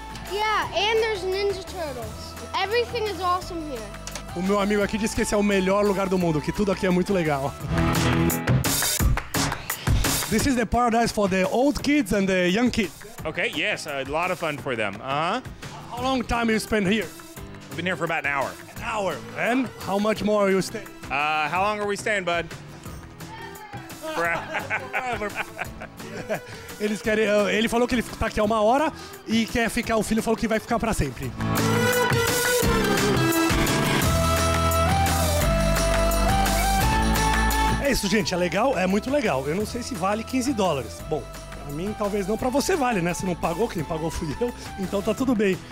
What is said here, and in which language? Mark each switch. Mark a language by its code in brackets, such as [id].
[en] Yeah, and there's Ninja Turtles. Everything is awesome here. [pt] O meu amigo aqui disse que esse é o melhor lugar do mundo, que tudo aqui é muito legal. [en] This is the paradise for the old kids and the young kids. Okay, yes, a lot of fun for them. How long time you spend here? I've been here for about an hour. An hour? And how much more you stay? How long are we staying, bud? Forever. [pt] Eles querem, ele falou que ele tá aqui há uma hora e quer ficar, o filho falou que vai ficar pra sempre. É isso, gente, é legal, é muito legal. Eu não sei se vale $15. Bom, pra mim talvez não, pra você vale, né? Você não pagou, quem pagou fui eu, então tá tudo bem.